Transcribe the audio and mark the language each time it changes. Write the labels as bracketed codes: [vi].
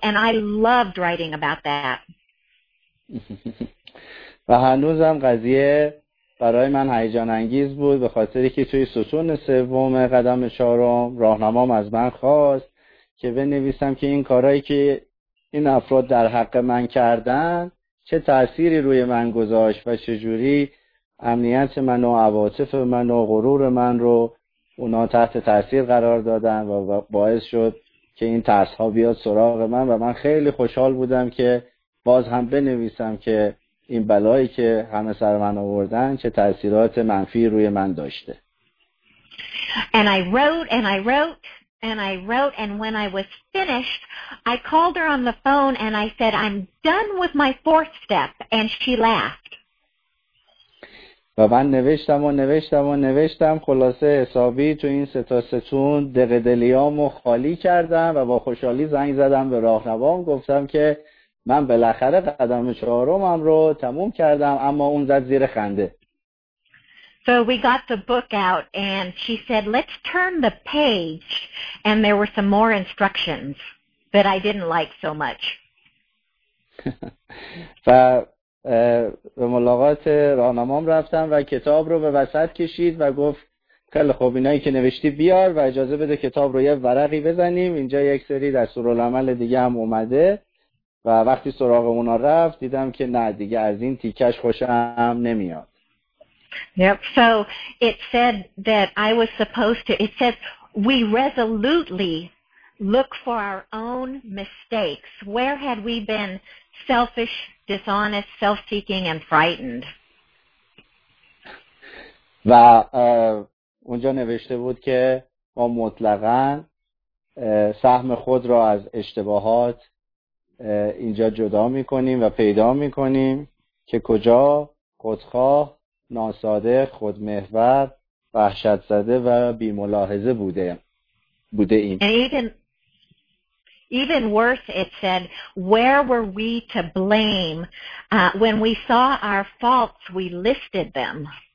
[en] And I loved writing about that. [fa] و هنوزم قضیه برای من هیجان انگیز بود به خاطری که توی ستون سوم قدم چهارم راهنمام از من خواست که بنویسم که این کارایی که این افراد در حق من کردن چه تأثیری روی من گذاشت و چجوری امنیت من و عواطف من و غرور من رو اونا تحت تأثیر قرار دادن و باعث شد که این ترس ها بیاد سراغ من. و من خیلی خوشحال بودم که باز هم بنویسم که این بلایی که همه سر من آوردن چه تأثیرات منفی روی من داشته. [en] And I wrote and I wrote and I wrote and when I was finished I called her on the phone and I said I'm done with my fourth step and she laughed. [fa] و من نوشتم و نوشتم و نوشتم، خلاصه حسابی تو این سه تا ستون دقدلیامو خالی کردم و با خوشحالی زنگ زدم به راهنمام گفتم که من بالاخره قدم چهارمم رو تموم کردم، اما اون زد زیر خنده. [en] So we got the book out and she said let's turn the page and there were some more instructions that I didn't like so much. [fa] و به ملاقات راهنمام رفتم و کتاب رو به وسط کشید و گفت خیلی خوب اینایی که نوشتی بیار و اجازه بده کتاب رو یه ورقی بزنیم، اینجا یک سری دستورالعمل دیگه هم اومده. و وقتی سراغ اونا رفت دیدم که نه دیگه از این تیکش خوشم نمیاد. [en] Yep. So it said that I was supposed to. It said we resolutely look for our own mistakes. Where had we been selfish, dishonest, self-seeking, and frightened? [fa] و اونجا نوشته بود که ما مطلقاً سهم خود را از اشتباهات اینجا جدا میکنیم و پیدا میکنیم که کجا خودخواه، ناساده، خودمحور، وحشت زده و بی ملاحظه بوده ایم. [en] And even worse it said where were we to blame when we saw our faults we listed them.